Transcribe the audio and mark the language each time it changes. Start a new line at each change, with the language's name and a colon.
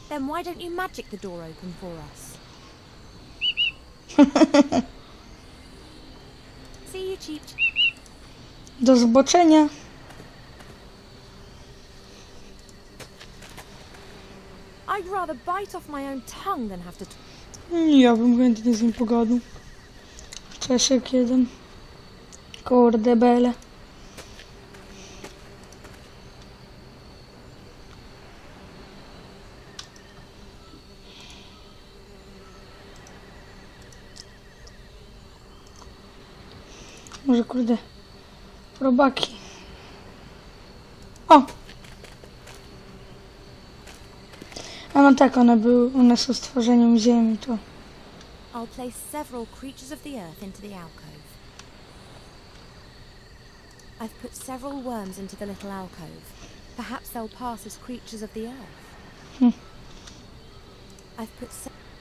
English: Then why don't you magic the door open for us? See you, Cheap Cheap.
Polish: Do zobaczenia.
English: I'd rather bite off my own tongue than have to...
Polish: Ja bym chętnie z nim pogadał. Czesiek jeden. Kurde, bele. Może kurde. Robaki. O! A no tak, one były, one są stworzeniem ziemi, to...
English: I'll place several creatures of the earth into the alcove. I've put several worms into the little alcove. Perhaps they'll pass as creatures of the earth. I've put several...